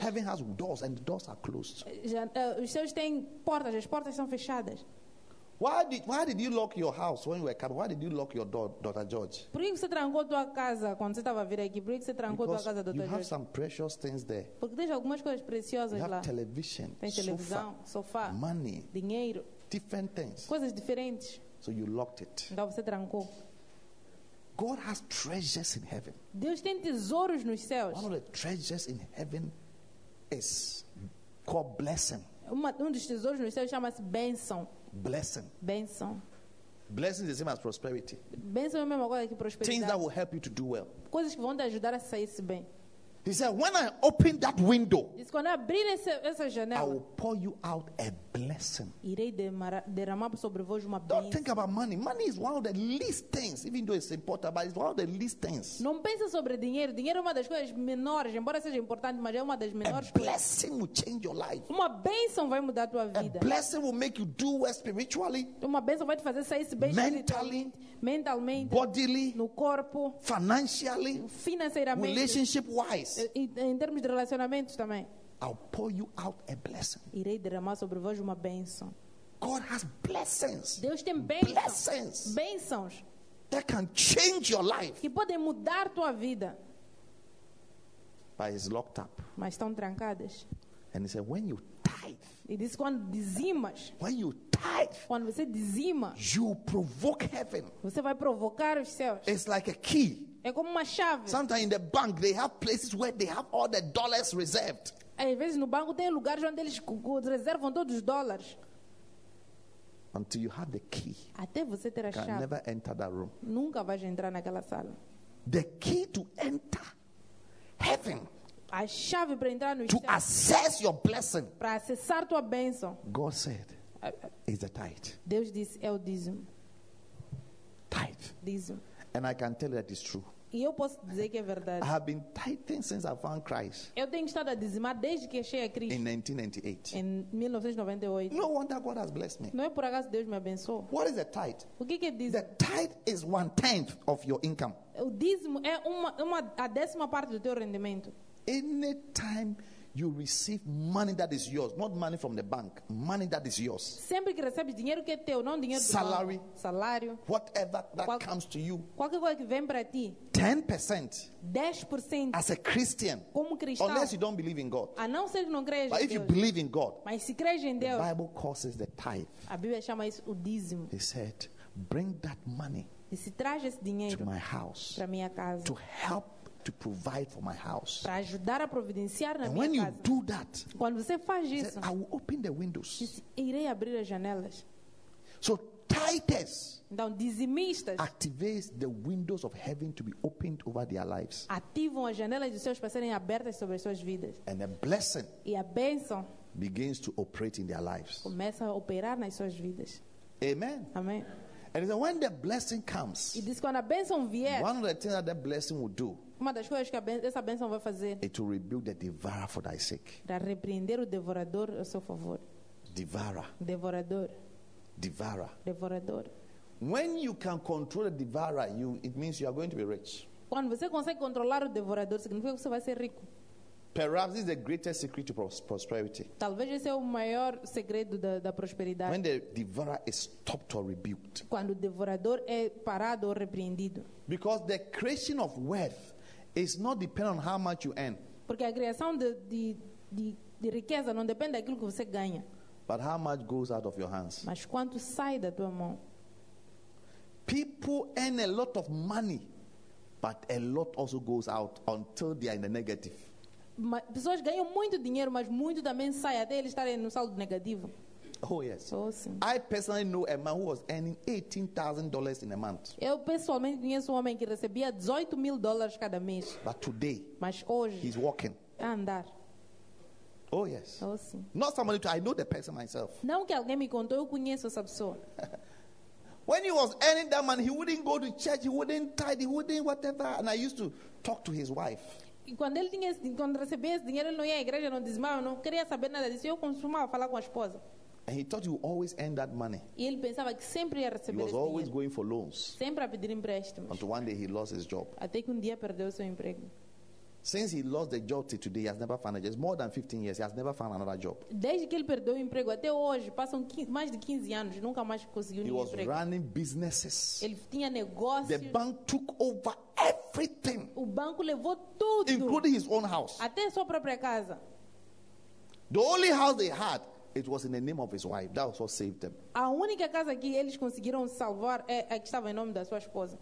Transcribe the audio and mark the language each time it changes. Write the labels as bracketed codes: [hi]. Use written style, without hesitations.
[en] Heaven has doors and the doors are closed. [pt] Os céus têm portas, as portas são fechadas. [en] Why did you lock your house when you were coming? Why did you lock your door, Dr. George? [pt] Por que você trancou tua casa quando você estava a vir aqui? Por que você trancou [en] Because [pt] tua casa, Dr. [en] You [pt] George? [en] Have some precious things there. [pt] Porque tem algumas coisas preciosas [en] you [pt] lá. [en] Have television, [pt] tem televisão, sofá, [en] money, [pt] dinheiro, [en] different things. [pt] Coisas diferentes. [en] So you locked it. [pt] Então você trancou. [en] God has treasures in heaven. [pt] Deus tem tesouros nos céus. [en] One of the treasures in heaven is called blessing. [pt] Um dos tesouros nos céus chama-se bênção. [en] Blessing. [pt] Bênção. [en] Blessing is the same as prosperity. [pt] Bênção é a mesma coisa que prosperidade. [en] Things that will help you to do well. [pt] Coisas que vão te ajudar a sair-se bem. [en] He said, when I open that window, [pt] diz, quando abrir essa janela, [en] I will pour you out a blessing. [pt] Irei derramar sobre vós uma bênção. [en] Don't think about money. Money is one of the least things, even though it's important, but it's one of the least things. [pt] Não pense sobre dinheiro. Dinheiro é uma das coisas menores, embora seja importante, mas é uma das menores coisas. [en] A blessing will change your life. [pt] Uma bênção vai mudar a tua vida. [en] A blessing will make you do well spiritually. [pt] Uma bênção vai te fazer sair bem [en] mentally, [pt] mentalmente, [en] bodily, [pt] no corpo, [en] financially, [pt] financeiramente, [en] relationship wise. [pt] Em termos de relacionamentos também. [en] I'll pour you out a blessing. [pt] Irei derramar sobre vós uma bênção. [en] God has blessings. [pt] Deus tem bênçãos. [en] Blessings. [pt] Bênçãos. [en] That can change your life. [pt] Que podem mudar tua vida. [en] But it's locked up. [pt] Mas estão trancadas. [en] And he said, when you tithe. [pt] E disse, quando dizimas. [en] When you tithe. [pt] Quando você dizima. [en] You provoke heaven. [pt] Você vai provocar os céus. [en] It's like a key. [pt] É como uma chave. [en] Sometimes in the bank they have places where they have all the dollars reserved. [pt] Às vezes no banco tem lugares onde eles reservam todos os dólares. [en] Until you have the key. [pt] Até você ter a chave. [en] You can never enter that room. [pt] Nunca vais entrar naquela sala. [en] The key to enter heaven. [pt] A chave para entrar no céu. [en] To access your blessing. [pt] Para acessar tua bênção. [en] God said, is the tithe. [pt] Deus disse, é o dízimo. [en] Tithe. [pt] Dízimo. [en] And I can tell you that it's true. [pt] E eu posso dizer que é verdade. [en] I have been tithing since I found Christ. [pt] Eu tenho estado a dizimar desde que achei a Cristo. [en] In 1998. [pt] Em 1998. [en] No wonder God has blessed me. [pt] Não é por acaso Deus me abençoou. [en] What is a tithe? [pt] O que é dízimo? [en] The tithe is 1/10 of your income. [pt] O dízimo é a décima parte do teu rendimento. [en] Anytime you receive money that is yours, not money from the bank, money that is yours. [pt] Sempre que recebes dinheiro que é teu, não dinheiro [en] salary, [pt] do banco. Salário. [en] Whatever that comes to you. [pt] Qualquer coisa que vem para ti. [en] 10%. [pt] 10%. [en] As a Christian. [pt] Como cristão. [en] Unless you don't believe in God. [pt] A não ser que não creias em Deus. [en] But if you believe in God. [pt] Mas se creias em Deus. [en] The Bible calls it the tithe. [pt] A Bíblia chama isso o dízimo. [en] He said, bring that money. [pt] E se traz esse dinheiro. [en] To my house. [pt] Para minha casa. [en] To help. To provide for my house. [pt] Para ajudar a providenciar na [en] and [pt] minha [en] when [pt] casa. [en] You do that, [pt] quando você faz isso, [en] said, I will open the windows. [pt] Irei abrir as janelas. [en] So tithers, [pt] então dizimistas, [en] activate the windows of heaven to be opened over their lives. [pt] Ativam as janelas dos céus para serem abertas sobre suas vidas. [en] And a blessing, [pt] e a bênção, [en] begins to operate in their lives. [pt] Começa a operar nas suas vidas. [en] Amen. [pt] Amém. [en] And when the blessing comes, [pt] e diz, quando a bênção vier, [en] one of the things that blessing will do. [pt] Uma das coisas que essa bênção vai fazer. [en] It will rebuke the devourer for thy sake. [pt] Para repreender o devorador ao seu favor. [en] Devourer. [pt] Devorador. [en] Devourer. [pt] Devorador. [en] When you can control the devourer, it means you are going to be rich. [pt] Quando você consegue controlar o devorador, significa que você vai ser rico. [en] Perhaps this is the greatest secret to prosperity. [pt] Talvez esse é o maior segredo da prosperidade. [en] When the devourer is stopped or rebuked. [pt] Quando o devorador é parado ou repreendido. [en] Because the creation of wealth is not dependent on how much you earn. [pt] Porque a criação de riqueza não depende daquilo que você ganha. [en] But how much goes out of your hands? [pt] Mas quanto sai da tua mão? [en] People earn a lot of money, but a lot also goes out until they are in the negative. [pt] Pessoas ganham muito dinheiro, mas muito também sai até eles estarem no saldo negativo. [en] Oh yes. [pt] Oh sim. [en] I personally know a man who was earning $18,000 in a month. [pt] Eu pessoalmente conheço um homem que recebia $18,000 cada mês. [en] But today, [pt] mas hoje, [en] he's walking. [pt] A andar. [en] Oh yes. [pt] Oh sim. [en] Not somebody to, I know the person myself. [pt] Não que alguém me contou, eu conheço essa pessoa. [en] When he was earning that money, he wouldn't go to church, he wouldn't tithe, he wouldn't whatever, and I used to talk to his wife. [pt] E quando ele tinha, quando recebia esse dinheiro, ele não ia à igreja, não dizimava, não queria saber nada disso. Eu costumava falar com a esposa. [en] And he thought he would always earn that money. [pt] E ele pensava que sempre ia receber esse dinheiro. [en] Going for loans. [pt] Sempre a pedir empréstimos. [en] Until one day he lost his job. [pt] Até que um dia perdeu seu emprego. [en] Since he lost the job till today, he has never found a job. It's more than 15 years. He has never found another job. [pt] Desde que ele perdeu o emprego até hoje, passam mais de 15 anos, nunca mais conseguiu um emprego. [en] He was running businesses. [pt] Ele tinha negócios. [en] The bank took over everything. [pt] O banco levou tudo. [en] Including his own house. [pt] Até a sua própria casa. [en] The only house they had, it was in the name of his wife. That was what saved them. [pt] A única casa que eles conseguiram salvar é a que estava em nome da sua esposa.